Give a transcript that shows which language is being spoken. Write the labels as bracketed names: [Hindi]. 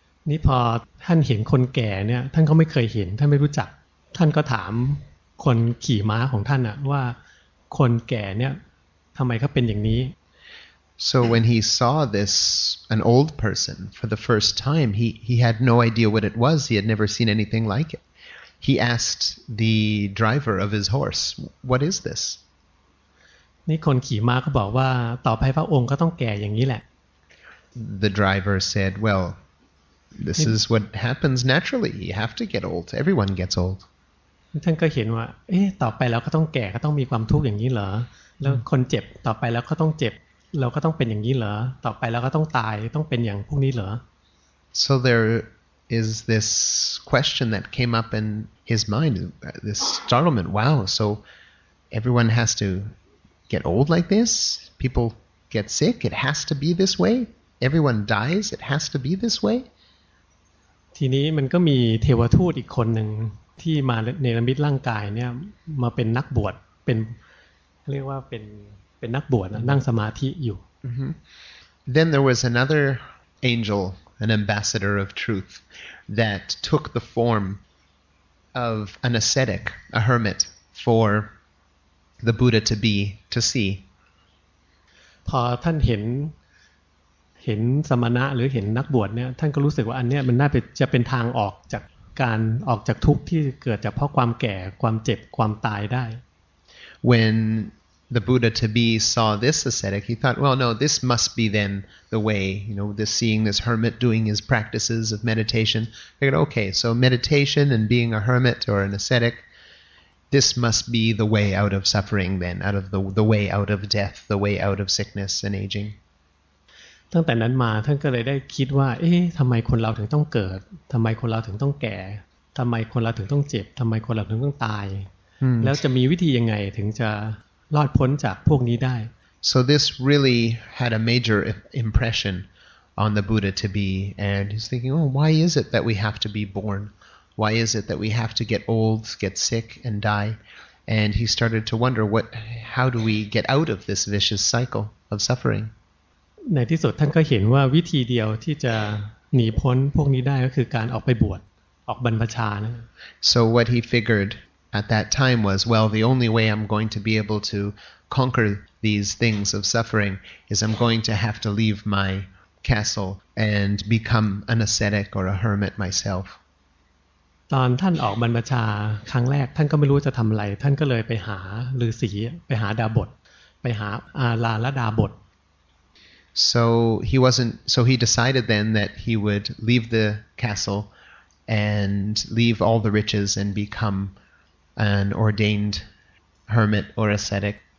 [Thai] นี่พอท่านเห็นคนแก่เนี่ยท่านก็ไม่เคยเห็นท่านไม่รู้จักท่านก็ถามคนขี่ม้าของท่านอะว่าคนแก่เนี่ยทำไมเขาเป็นอย่างนี้ [English] So when he saw this an old person for the first time he had no idea what it was he had never seen anything like it he asked the driver of his horse what is this [Thai] นี่คนขี่ม้าก็บอกว่าต่อไปพระองค์ก็ต้องแก่อย่างนี้แหละ [English] The driver said wellThis is what happens naturally. You have to get old. Everyone gets old. [Thai] ท่านก็เห็นว่าเอ๊ะต่อไปเราก็ต้องแก่ก็ต้องมีความทุกข์อย่างนี้เหรอแล้วคนเจ็บต่อไปแล้วก็ต้องเจ็บเราก็ต้องเป็นอย่างนี้เหรอต่อไปเราก็ต้องตายต้องเป็นอย่างพวกนี้เหรอ [English] So there is this question that came up in his mind, this startlement. Wow, so everyone has to get old like this? People get sick? It has to be this way? Everyone dies? It has to be this way? [Thai] ทีนี้มันก็มีเทวทูตอีกคนหนึ่งที่มาเนรมิตร่างกายเนี่ยมาเป็นนักบวชเป็นเรียกว่าเป็น ป็นนักบวชนั่งสมาธิอยู่ [English] Then there was another angel, an ambassador of truth, that took the form of an ascetic, a hermit, for the Buddha to be, to see. [Thai] พอท่านเห็นสมณะหรือเห็นนักบวชเนี่ยท่านก็รู้สึกว่าอันเนี้ยมันน่าจะเป็นทางออกจากการออกจากทุกข์ที่เกิดจากเพราะความแก่ความเจ็บความตายได้ [English] When the Buddha to be saw this ascetic he thought well no this must be then the way you know this seeing this hermit doing his practices of meditation figured okay so meditation and being a hermit or an ascetic this must be the way out of suffering then out of the way out of death the way out of sickness and aging [Thai] ตั้งแต่นั้นมาท่านก็เลยได้คิดว่าเอ๊ะทำไมคนเราถึงต้องเกิดทำไมคนเราถึงต้องแก่ทำไมคนเราถึงต้องเจ็บทำไมคนเราถึงต้องตาย แล้วจะมีวิธียังไงถึงจะรอดพ้นจากพวกนี้ได้ [English] So this really had a major impression on the Buddha to be and he's thinking oh why is it that we have to be born why is it that we have to get old get sick and die and he started to wonder what how do we get out of this vicious cycle of suffering [Thai] ในที่สุดท่านก็เห็นว่าวิธีเดียวที่จะหนีพ้นพวกนี้ได้ก็คือการออกไปบวชออกบรรพชานะ [English] So what he figured at that time was well the only way I'm going to be able to conquer these things of suffering is I'm going to have to leave my castle and become an ascetic or a hermit myself [Thai] ตอนท่านออกบรรพชาครั้งแรกท่านก็ไม่รู้จะทำอะไรท่านก็เลยไปหาฤาษีไปหาดาบสไปหาอาลาและดาบส [English] So he decided then that he would leave the castle and leave all the riches and become an ordained hermit or ascetic.